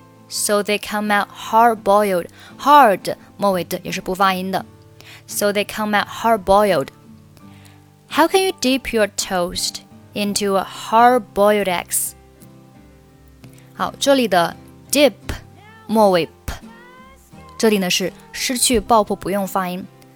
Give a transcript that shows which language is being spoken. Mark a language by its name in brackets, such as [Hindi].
[English] So they come out hard-boiled. [Chinese] Hard, 末尾的也是不发音的。 [English] So they come out hard-boiled. How can you dip your toast into a hard-boiled eggs? [Chinese] 好，这里的 dip, 末尾 p, 这里呢是失去爆破不用发音。